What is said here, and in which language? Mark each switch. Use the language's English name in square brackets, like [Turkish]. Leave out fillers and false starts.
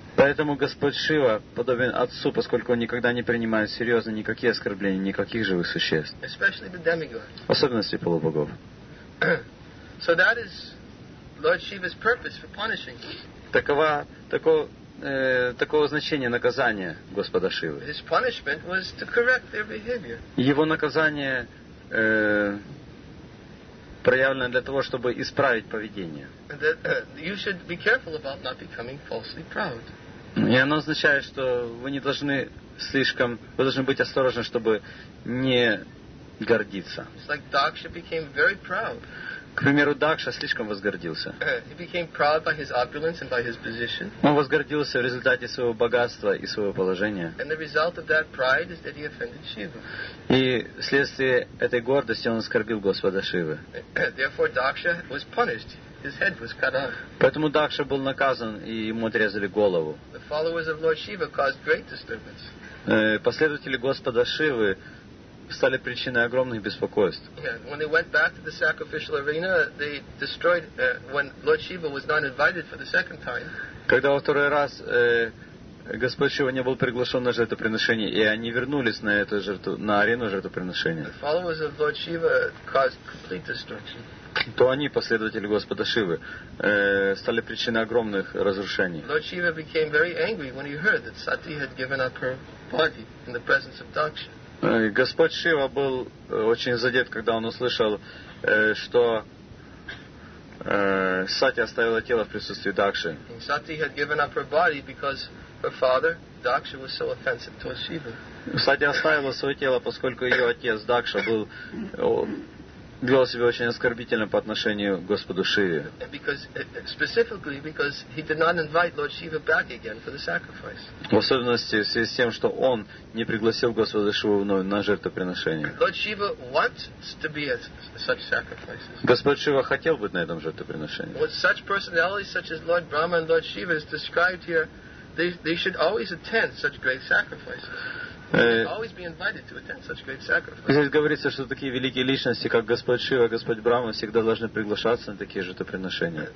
[Russian] Поэтому Господь Шива подобен отцу, поскольку он никогда не принимает серьезно никакие оскорбления никаких живых существ. [English] Especially the demigods. [Russian] В особенности полубогов. [English] So that is Lord Shiva's purpose for punishing. [Russian] Такого значения наказания Господа Шивы. [English] His punishment was to correct their behavior. [Russian] Его наказание проявлено для того, чтобы исправить поведение. [English] You should be careful about not becoming falsely proud. [Russian] И оно означает, что вы должны быть осторожны, чтобы не гордиться. [English] It's like Daksha became very proud. [Russian] К примеру, Дакша слишком возгордился. [English] He became proud by his opulence and by his position. [Russian] Он возгордился в результате своего богатства и своего положения. [English] And the result of that pride is that he offended Shiva. [Russian] И вследствие этой гордости он оскорбил Господа Шивы. [English] Therefore, Daksha was punished. His head was cut off. [Russian] Поэтому Дакша был наказан, и ему отрезали голову. [English] The followers of Lord Shiva caused great disturbance. [Russian] Последователи Господа Шивы стали причиной огромных беспокойств. [English] When they went back to the sacrificial arena, they destroyed. When Lord Shiva was not invited for the second time. [Russian] Когда во второй раз Господь Шива не был приглашен на жертвоприношение, и они вернулись на эту жертву, на арену жертвоприношения. [English] The followers of Lord Shiva caused complete destruction. [Russian] То они, последователи Господа Шивы, стали причиной огромных разрушений. [English] Lord Shiva became very angry when he heard that Sati had given up her body in the presence of Daksha. [Russian] Господь Шива был очень задет, когда он услышал, что Сати оставила тело в присутствии Дакши. [English] Сати had given up her body because her father, Дакша, was so offensive to Shiva. [Russian] Сати оставила свое тело, поскольку ее отец Дакша вел себя очень оскорбительно по отношению к Господу Шиве. [English] Specifically because he did not invite Lord Shiva back again for the sacrifice. [Russian] В особенности в связи с тем, что он не пригласил Господа Шиву вновь на жертвоприношение. [English] Lord Shiva wants to be at such sacrifices. [Russian] Господь Шива хотел быть на этом жертвоприношении. [English] With such personalities such as Lord Brahma and Lord Shiva is described here, they should always attend such great sacrifices. [Russian] Здесь говорится, что такие великие личности, как Господь Шива, Господь Брахма, всегда должны приглашаться на такие жертвоприношения.